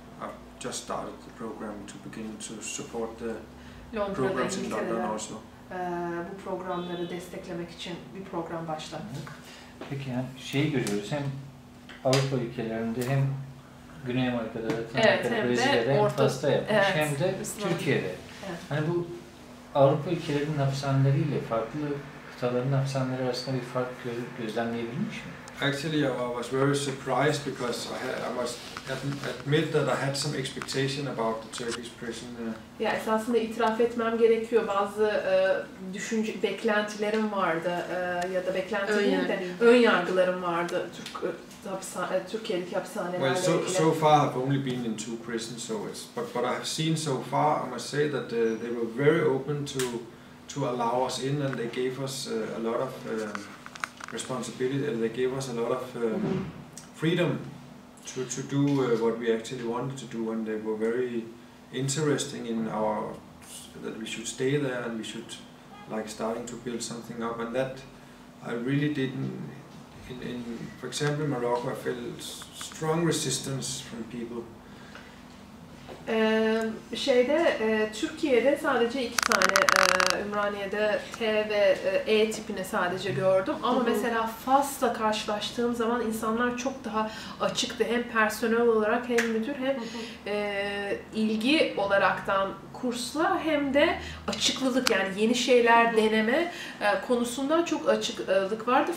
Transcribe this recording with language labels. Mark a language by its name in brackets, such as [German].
[English] I've just started the program to begin to support the programs in London also. [Turkish] Bu programları desteklemek için bir program başlattık. Peki yani şeyi görüyoruz hem Avrupa ülkelerinde hem Güney Amerika'da, Brezilya'da hem FAS'ta yapmış, hem de Türkiye'de. Evet. Hani bu Avrupa ülkelerinin hapishaneleriyle farklı kıtaların hapishaneleri arasında bir fark gözlemleyebilmiş mi? [English] Actually, I was very surprised because I must admit that I had some expectation about the Turkish prison. [Turkish] Ya esasında itiraf etmem gerekiyor, bazı düşünce beklentilerim vardı ya da beklentilerim de ön yargılarım vardı Türkiye'deki hapishanelerle. [English] Well, so far I've only been in two prisons, so it's but I've seen so far, I must say that they were very open to allow us in, and they gave us a lot of responsibility, and they gave us a lot of freedom to do what we actually wanted to do, and they were very interesting in our that we should stay there and we should like starting to build something up, and that I really didn't. In for example, Morocco, I felt strong resistance from people. [Turkish] Şeyde Türkiye'de sadece iki tane Ümraniye'de T ve E tipini sadece gördüm. Ama mesela Fas'la karşılaştığım zaman insanlar çok daha açıktı. Hem personel olarak hem müdür hem ilgi olaraktan kursla hem de açıklılık yani yeni şeyler deneme konusunda çok açıklık vardı.